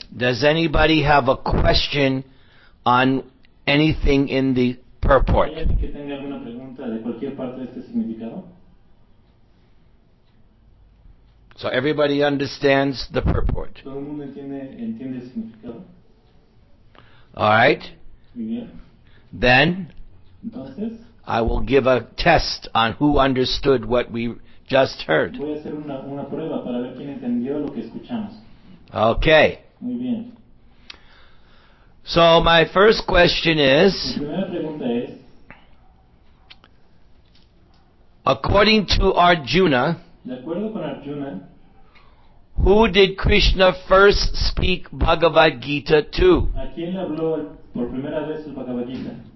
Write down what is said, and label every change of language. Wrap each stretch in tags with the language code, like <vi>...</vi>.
<en>does anybody have a question on anything in the purport?</en> <es>¿Hay alguien que tenga alguna pregunta de cualquier parte de este significado?</es> <en>So everybody understands the purport.</en> <es>¿Todo el mundo entiende el significado?</es> <en>All right.</en> <es>Muy bien.</es> <en>Then,</en> <es>entonces,</es> <en>I will give a test on who understood what we just heard.</en> <es>Voy a hacer una prueba para ver quién entendió lo que escuchamos.</es> <en>Okay.</en> <es>Muy bien.</es> <en>So my first question is,</en> <es>mi primera pregunta es,</es> <en>according to Arjuna,</en> <es>de acuerdo con Arjuna,</es> <en>who did Krishna first speak Bhagavad Gita to?</en> <es>¿A quién le habló por primera vez el Bhagavad Gita?</es>